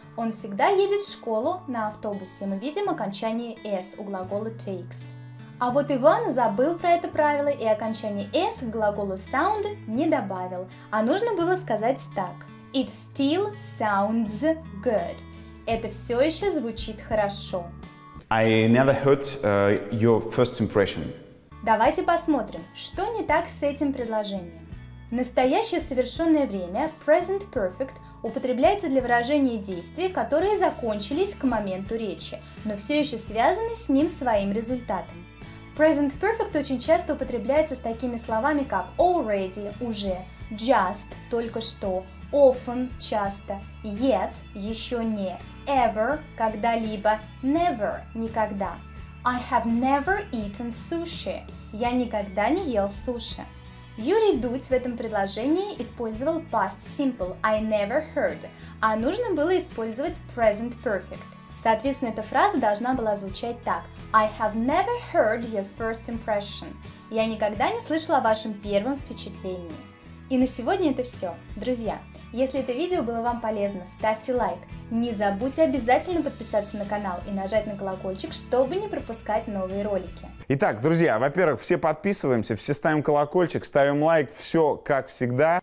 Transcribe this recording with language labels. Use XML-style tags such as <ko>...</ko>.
<ru>Он всегда едет в школу на автобусе. Мы видим окончание s у глагола takes. А вот Иван забыл про это правило и окончание s к глаголу sound не добавил, а нужно было сказать так.</ru> <en>It still sounds good.</en> <ru>Это все еще звучит хорошо.</ru> <en>I never heard your first impression.</en> <ru>Давайте посмотрим, что не так с этим предложением. Настоящее совершенное время, present perfect, употребляется для выражения действий, которые закончились к моменту речи, но все еще связаны с ним своим результатом. Present perfect очень часто употребляется с такими словами, как already – уже, just – только что, often – часто, yet – еще не, ever – когда-либо, never – никогда.</ru> <en>I have never eaten sushi.</en> <ru>Я никогда не ел суши. Юрий Дудь в этом предложении использовал past simple –</ru> <en>I never heard,</en> <ru>а нужно было использовать present perfect. Соответственно, эта фраза должна была звучать так.</ru> <en>I have never heard your first impression.</en> <ru>Я никогда не слышала о вашем первом впечатлении. И на сегодня это все. Друзья, если это видео было вам полезно, ставьте лайк. Не забудьте обязательно подписаться на канал и нажать на колокольчик, чтобы не пропускать новые ролики. Итак, друзья, во-первых, все подписываемся, все ставим колокольчик, ставим лайк, все как всегда.</ru>